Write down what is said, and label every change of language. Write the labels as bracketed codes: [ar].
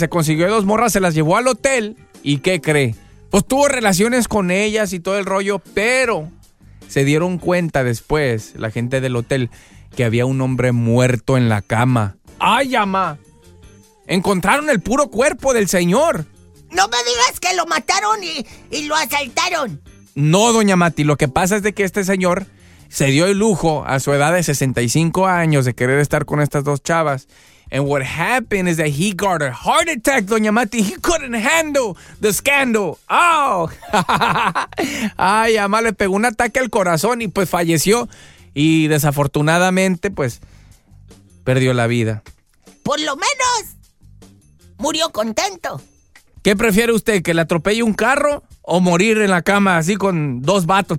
[es] Se consiguió dos morras, se las llevó al hotel. ¿Y qué cree? Pues tuvo relaciones con ellas y todo el rollo, pero se dieron cuenta después, la gente del hotel, que había un hombre muerto en la cama. ¡Ay, ama! Encontraron el puro cuerpo del señor. No me digas que lo mataron y lo asaltaron. No, doña Mati, lo que pasa es de que este señor se dio el lujo a su edad de 65 años de querer estar con estas dos chavas. [en] And what happened is that he got a heart attack, doña Mati. He couldn't handle the scandal. Oh. [es] Ay, ama, le pegó un ataque al corazón y pues falleció. Y desafortunadamente, pues, perdió la vida. Por lo menos, murió contento. ¿Qué prefiere usted, que le atropelle un carro o morir en la cama así con dos vatos?